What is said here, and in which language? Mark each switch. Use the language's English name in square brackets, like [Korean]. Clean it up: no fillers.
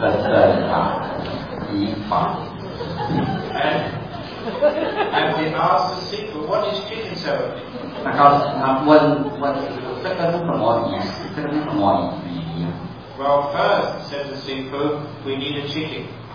[Chinese] 对，那师父告诉他，你现在要做这个跟着仪法。 [English] And he asked the sifu, what is chicken ceremony? [Chinese] 他问师父，这个是什么仪式？这个是什么仪式？ [English] Well, first, said the sifu, we need a chicken.